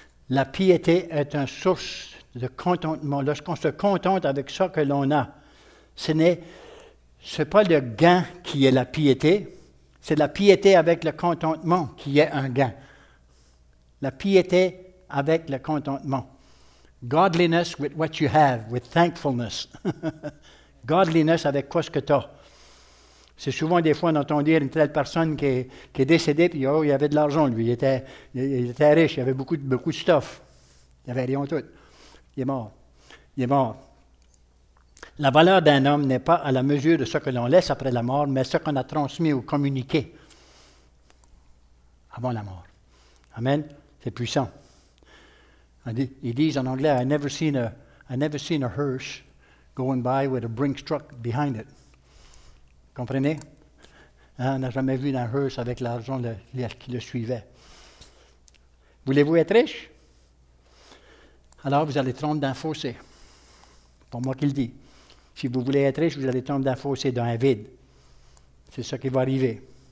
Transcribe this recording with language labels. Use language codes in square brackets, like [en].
[fr] La piété est une source de contentement. Lorsqu'on se contente avec ce que l'on a, ce n'est pas le gain qui est la piété, c'est la piété avec le contentement qui est un gain. La piété avec le contentement. [en] Godliness with what you have, with thankfulness. [fr] Godliness avec quoi ce que tu as. C'est souvent des fois, on entend dire une telle personne qui est décédée, puis oh, il avait de l'argent, lui. Il était riche, il avait beaucoup de stuff. Il n'avait rien tout. Il est mort. La valeur d'un homme n'est pas à la mesure de ce que l'on laisse après la mort, mais ce qu'on a transmis ou communiqué avant la mort. Amen. C'est puissant. Ils disent en anglais, [en] I never seen a hearse go going by with a Brinks truck behind it. [fr] Comprenez? Hein, on n'a jamais vu dans Hearst avec l'argent qui le suivait. Voulez-vous être riche? Alors, vous allez tomber dans un fossé. Pour moi qui le dis. Si vous voulez être riche, vous allez tomber dans un fossé, dans un vide. C'est ça qui va arriver.